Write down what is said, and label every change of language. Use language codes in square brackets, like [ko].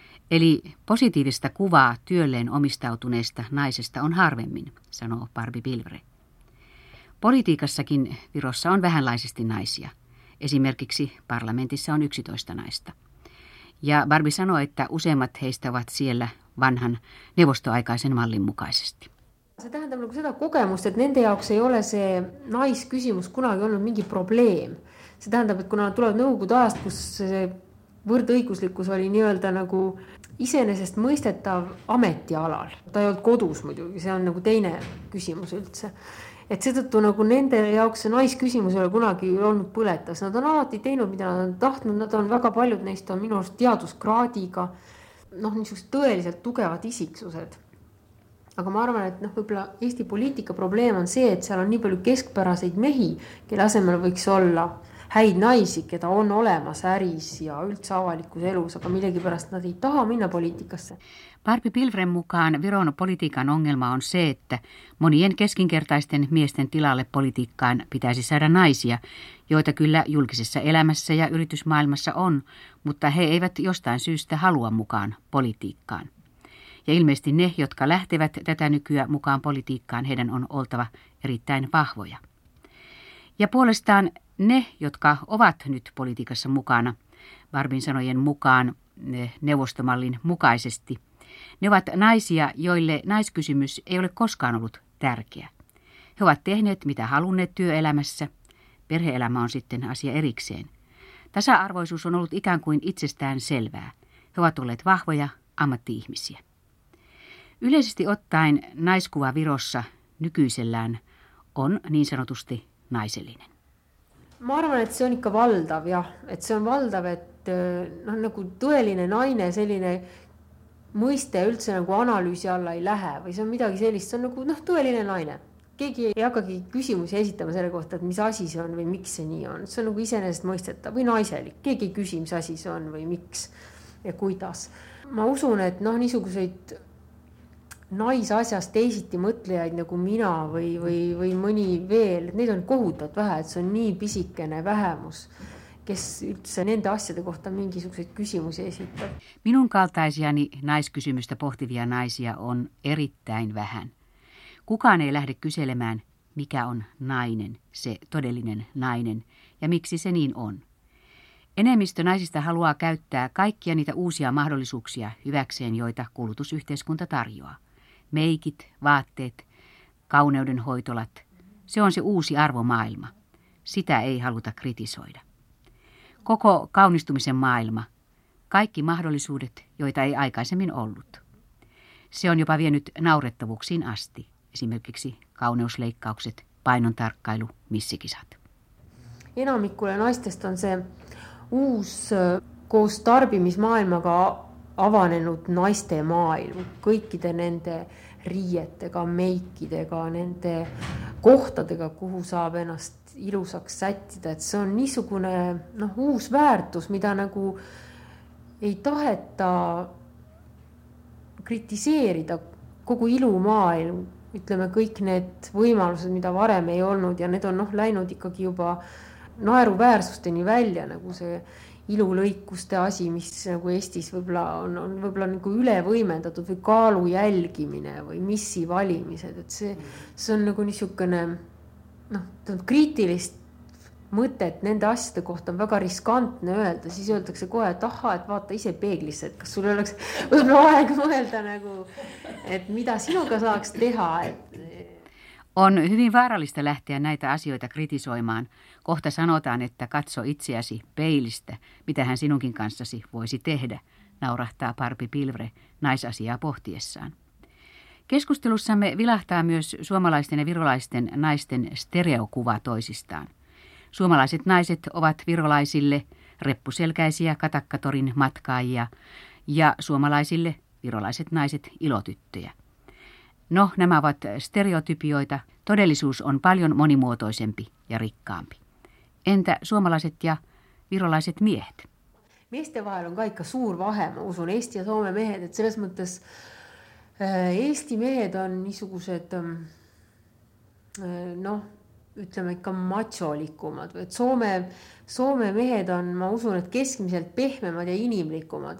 [fi] Eli positiivista kuvaa työlleen omistautuneesta naisesta on harvemmin, sanoo Barbie Pilvre. Politiikassakin Virossa on vähänlaisesti naisia. Esimerkiksi parlamentissa on 11 naista. Ja Barbie sanoi, että useimmat heistä ovat siellä vanhan neuvostoaikaisen mallin mukaisesti. [et] Se tähendab nagu seda kokemust, et nende jaoks ei ole see naisküsimus kunagi olnud mingi probleem. See tähendab, et kuna tulevad nõukogude ajast, kus see võrdõiguslikkus oli nii-öelda nagu isenesest mõistetav ametialal. Ta ei olnud kodus muidugi, see on nagu teine küsimus üldse. Et seetõttu nagu nende jaoks see naisküsimus ei ole kunagi olnud põletas. Nad on alati teinud, mida nad on tahtnud. Nad on väga paljud neist on minu arust teaduskraadiga, noh, niisugused tõeliselt tugevad isiksused. Aga ma arvan, et noh, võibolla Eesti poliitika probleem on see, et seal on nii palju keskpäraseid mehi, kelle asemel võiks olla häid naisi, keda on olemas äris ja üldse avalikus elus, aga millegi pärast nad ei taha minna poliitikasse. [fi] Barbie Pilvren mukaan Viron politiikan ongelma on se, että monien keskinkertaisten miesten tilalle politiikkaan pitäisi saada naisia, joita kyllä julkisessa elämässä ja yritysmaailmassa on, mutta he eivät jostain syystä halua mukaan politiikkaan. Ja ilmeisesti ne, jotka lähtevät tätä nykyä mukaan politiikkaan, heidän on oltava erittäin vahvoja. Ja puolestaan ne, jotka ovat nyt politiikassa mukana, Barbin sanojen mukaan neuvostomallin mukaisesti, ne ovat naisia, joille naiskysymys ei ole koskaan ollut tärkeä. He ovat tehneet, mitä halunneet työelämässä. Perhe-elämä on sitten asia erikseen. Tasa-arvoisuus on ollut ikään kuin itsestään selvää. He ovat olleet vahvoja ammatti-ihmisiä. Yleisesti ottaen naiskuva Virossa nykyisellään on niin sanotusti naisellinen. [et] Ma arvan, et see on ikka valdav, ja et see on valdav, et noh, nagu tõeline naine selline mõiste üldse nagu analüüsi alla ei lähe või see on midagi sellist, see on nagu noh, tõeline naine. Keegi ei hakkagi küsimusi esitama selle kohta, et mis asi see on või miks see nii on. See on nagu isenest mõisteta või naiselik. Keegi ei küsi, mis asi see on või miks ja kuidas. Ma usun, et noh, niisuguseid naisasjast teisiti mõtlejaid nagu mina või mõni veel, et neid on kohutavalt vähe, et see on nii pisikene vähemus, kes üldse nende asjade kohta mingisuguseid küsimusi esitab. [fi] Minun kaltaisiani naiskysymystä pohtivia naisia on erittäin vähän. Kukaan ei lähde kyselemään, mikä on nainen, se todellinen nainen, ja miksi se niin on. Enemmistö naisista haluaa käyttää kaikkia niitä uusia mahdollisuuksia hyväkseen, joita kulutusyhteiskunta tarjoaa. Meikit, vaatteet, kauneudenhoitolat, se on se uusi arvomaailma. Sitä ei haluta kritisoida. Koko kaunistumisen maailma, kaikki mahdollisuudet, joita ei aikaisemmin ollut. Se on jopa vienyt naurettavuuksiin asti, esimerkiksi kauneusleikkaukset, painontarkkailu, missikisat. [et] Enamikule naistest on se uus koos tarbimismaailmaga avanenud naiste maailm, kõikide nende riietega, meikidega, nende kohtadega, kuhu saab ennast ilusaks sättida. Et see on niisugune noh, uus väärtus, mida nagu ei taheta kritiseerida kogu ilumaailm. Ütleme, kõik need võimalused, mida varem ei olnud ja need on noh, läinud ikkagi juba naeruväärsusteni välja, nagu see ilulõikuste asi, mis nagu Eestis võibolla on võibolla nagu üle võimendatud või kaalu jälgimine või missi valimised, et see on nagu niisugune noh, kriitilist mõtet nende asjade kohta on väga riskantne öelda, siis öeldakse kohe, et aha, et vaata ise peeglisse, et kas sul oleks võibolla aeg mõelda nagu, et mida sinuga saaks teha, et [fi] On hyvin vaarallista lähteä näitä asioita kritisoimaan. Kohta sanotaan, että katso itseäsi peilistä, mitä hän sinunkin kanssasi voisi tehdä, naurahtaa Parpi Pilvre naisasiaa pohtiessaan. Keskustelussamme vilahtaa myös suomalaisten ja virolaisten naisten stereokuva toisistaan. Suomalaiset naiset ovat virolaisille reppuselkäisiä katakkatorin matkaajia ja suomalaisille virolaiset naiset ilotyttöjä. No, nämä ovat stereotypioita. Todellisuus on paljon monimuotoisempi ja rikkaampi. Entä suomalaiset ja virolaiset miehet? [et] Meeste vahel on ka ikka suur vahe, ma usun, Eesti ja Soome mehed, et selles mõttes Eesti mehed on niisugused, noh, ütleme ikka macholikumad. Soome mehed on, ma usun, et keskmiselt pehmemad ja inimlikumad.